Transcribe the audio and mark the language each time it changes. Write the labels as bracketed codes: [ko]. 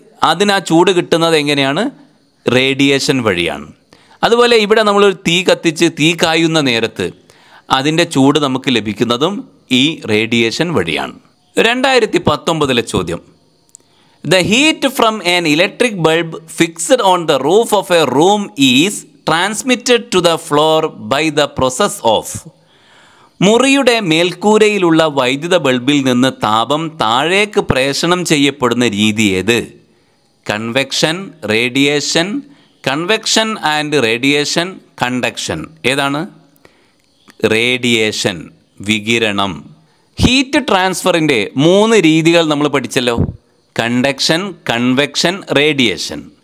[ml] അതിനാ ചൂട് കിട്ടുന്നത് എങ്ങനെയാണ്? റേഡിയേഷൻ വഴിയാണ്. അതുപോലെ ഇവിടെ നമ്മളൊരു തീ കത്തിച്ച് തീ കായുന്ന നേരത്ത് അതിൻ്റെ ചൂട് നമുക്ക് ലഭിക്കുന്നതും ഈ റേഡിയേഷൻ വഴിയാണ്. 2019 ചോദ്യം: [en] The heat from an electric bulb fixed on the roof of a room is transmitted to the floor by the process of. [ml] മുറിയുടെ മേൽക്കൂരയിലുള്ള വൈദ്യുത ബൾബിൽ നിന്ന് താപം താഴേക്ക് പ്രേഷണം ചെയ്യപ്പെടുന്ന രീതി ഏത്? Convection, radiation. Convection and radiation, conduction ഏതാണ്? റേഡിയേഷൻ, വികിരണം. ഹീറ്റ് ട്രാൻസ്ഫറിൻ്റെ മൂന്ന് രീതികൾ നമ്മൾ പഠിച്ചല്ലോ: കണ്ടക്ഷൻ, കൺവെക്ഷൻ, റേഡിയേഷൻ.